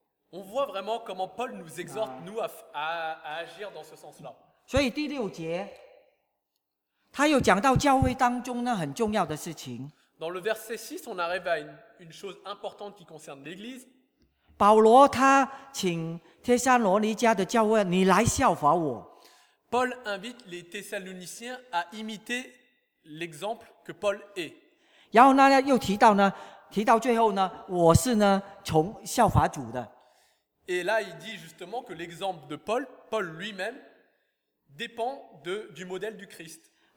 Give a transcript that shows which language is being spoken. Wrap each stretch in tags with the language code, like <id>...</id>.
<fr>On voit vraiment comment Paul nous exhorte, nous, à agir dans ce sens-là.</fr> <zh>所以第六节，他又讲到教会当中呢很重要的事情。</zh> <fr>Dans le verset 6, on arrive à une chose importante qui concerne l'Église.</fr> <zh>保罗他请帖撒罗尼迦的教会，你来效法我。</zh> <fr>Paul invite les Thessaloniciens à imiter l'exemple que Paul est.</fr> <zh>然后呢，又提到呢，提到最后呢，我是呢从效法主的。</zh> <fr>Et là, il dit justement que l'exemple de Paul, Paul lui-même, dépend du modèle du Christ.</fr>